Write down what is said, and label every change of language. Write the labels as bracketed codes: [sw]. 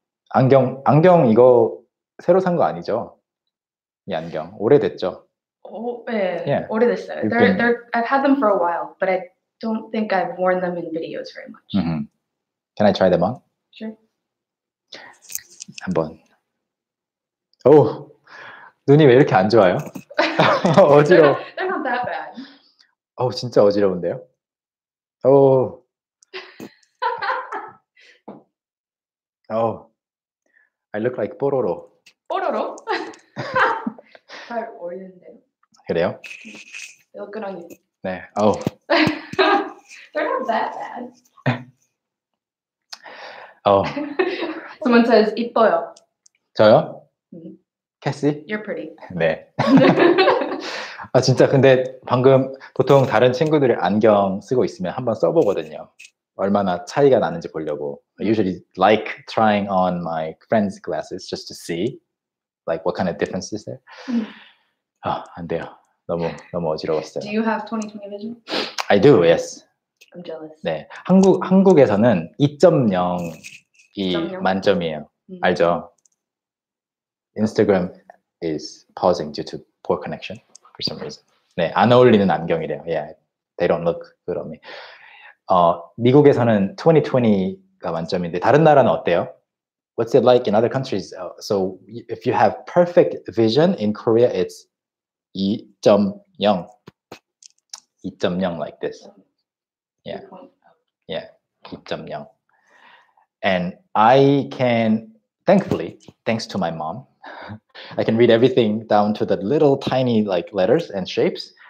[ko] 안경 이거 새로 산 거 아니죠? 이 안경 오래됐죠? 네, 오래됐어요. [en] I've had them for a while, but I don't think I've worn them in videos very much. Mm-hmm. Can I try them on? Sure. [ko] 한번. 오, 눈이 왜 이렇게 안 좋아요? 어지러워. [en] They're not that bad. [ko] 어우, 진짜 어지러운데요? 오. [en] 오. I look like 뽀로로. [ko] 뽀로로? 잘 어울리는데요. 그래요? [en] They look good on you. [ko] 네. 오. [en] They're not that bad. [ko] 어. [en] Someone says [ko] 이뻐요. 저요? Mm-hmm. Cassie? [en] You're pretty. [ko] 네. 아 진짜 근데 방금 보통 다른 친구들이 안경 쓰고 있으면 한번 써보거든요. 얼마나 차이가 나는지 보려고. [en] I usually like trying on my friend's glasses just to see like what kind of difference is there. [ko] 아 안 돼요. 너무 어지러웠어요. [en] Do you have 20/20 vision? I do. Yes. I'm jealous. [ko] 네. 한국에서는 2.0이 만점이에요. 알죠? [en] Instagram is pausing due to poor connection. For some reason. [ko] 네, 안 어울리는 안경이래요. [en] Yeah, they don't look good on me. [ko] 미국에서는 20/20가 만점인데 다른 나라는 어때요? [en] What's it like in other countries? So if you have perfect vision in Korea, it's 2.0. 2.0 like this. Yeah. Yeah, 2.0. And I can, thankfully, thanks to my mom, I can read everything down to the little tiny like letters and shapes.